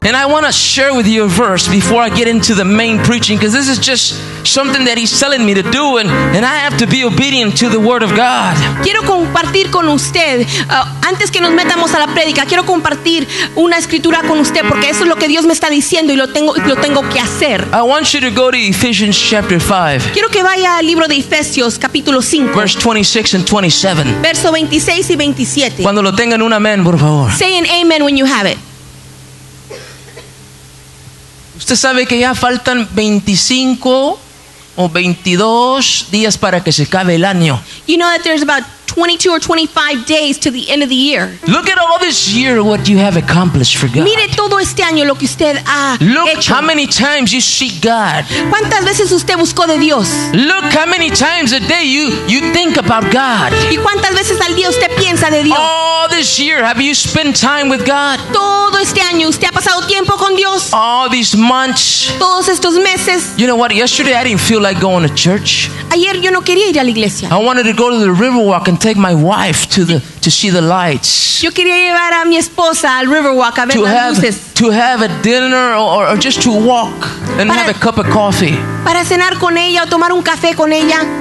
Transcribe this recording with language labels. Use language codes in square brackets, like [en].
[en] And I want to share with you a verse before I get into the main preaching, because this is just something that he's telling me to do, and I have to be obedient to the word of God. [es] Quiero compartir con usted, antes que nos metamos a la prédica, quiero compartir una escritura con usted, porque eso es lo que Dios me está diciendo y lo tengo que hacer. [en] I want you to go to Ephesians chapter 5. [es] Quiero que vaya al libro de Efesios capítulo 5. [en] Verse 26 and 27. [es] Verso 26 y 27. Cuando lo tengan, un amén, por favor. [en] Say an amen when you have it. [es] Usted sabe que ya faltan 25 o 22 días para que se acabe el año. [en] You know that there's about 22 or 25 days to the end of the year. Look at all this year what you have accomplished for God. [es] Mire todo este año lo que usted ha hecho. [en] Look how many times you seek God. [es] ¿Cuántas veces usted buscó de Dios? [en] Look how many times a day you think about God. [es] ¿Y cuántas veces al día usted piensa de Dios? [en] All this year have you spent time with God? [es] Todo este año usted ha pasado tiempo con Dios. [en] All these months. [es] Todos estos meses. [en] You know what? Yesterday I didn't feel like going to church. [es] Ayer yo no quería ir a la iglesia. [en] I wanted to go to the Riverwalk and take my wife to see the lights. [es] Yo quería llevar a mi esposa al Riverwalk a ver las luces. [en] To have a dinner or just to walk and have a cup of coffee. [es] Para cenar con ella o tomar un café con ella.